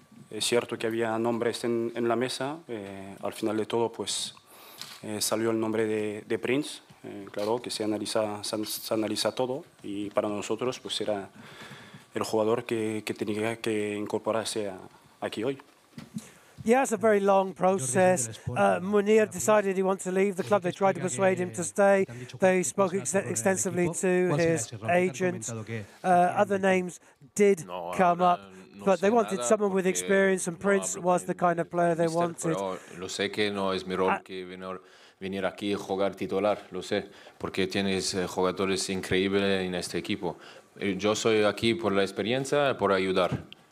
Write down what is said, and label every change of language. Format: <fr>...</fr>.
<es>Es cierto que había nombres en la mesa. Al final de todo, pues salió el nombre de Prince. Claro, que se analiza todo, y para nosotros pues era el jugador que tenía que incorporarse aquí hoy.</es> <en>Yeah, it's a very long process. Munir decided he wants to leave the club. They tried to persuade him to stay. They spoke extensively to his agent. Other names did come up, but they wanted someone with experience, and Prince was the kind of player they wanted.</en> <es>Lo sé que no es mi rol que venir aquí a jugar titular, lo sé, porque tienes jugadores increíbles en este equipo. Yo soy aquí por la experiencia, por ayudar.</es>